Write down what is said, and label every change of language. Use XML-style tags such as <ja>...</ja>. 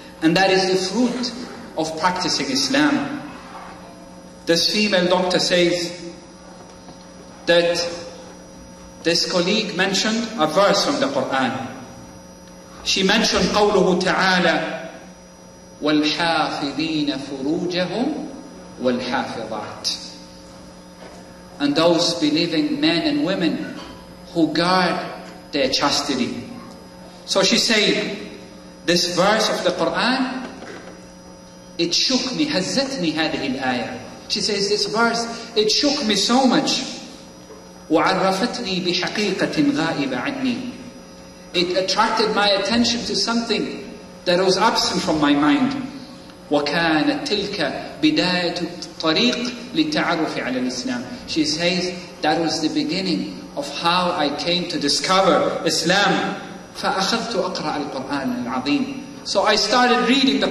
<en>And that is the fruit of practicing Islam. This female doctor says that this colleague mentioned a verse from the Quran. She mentioned</en> <ar>قوله تعالى والحافظين فروجهم والحافظات.</ar> <en>And those believing men and women who guard their chastity. So she said, this verse of the Quran, it shook me,</en> <ar>هزتني هذه الآية.</ar> <en>She says, this verse, it shook me so much.</en> <ar>وعرفتني بحقيقة غائبة عني.</ar> <en>It attracted my attention to something that was absent from my mind.</en> <ar>وكانت تلك بداية الطريق للتعرف على الإسلام.</ar> <en>She says, that was the beginning of how I came to discover Islam.</en> <ar>فأخذت أقرأ القرآن العظيم.</ar> <en>So I started reading the Quran.</en>